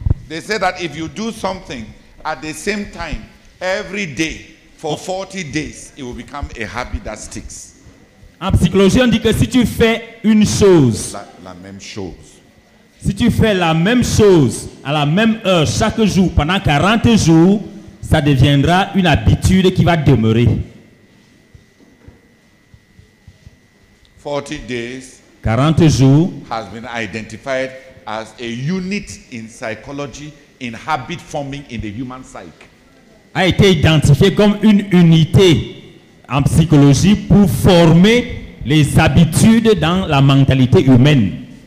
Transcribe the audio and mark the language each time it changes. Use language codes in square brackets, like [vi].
[en] they say that if you do something at the same time every day for 40 days, it will become a habit that sticks. [fr] En psychologie, on dit que si tu fais une chose, la même chose, si tu fais la même chose à la même heure chaque jour pendant 40 jours, ça deviendra une habitude qui va demeurer. [en] 40 days [fr] 40 jours [en] has been identified as a unit in psychology in habit forming in the human psyche. [fr] A été identifié comme une unité en psychologie pour former les habitudes dans la mentalité humaine.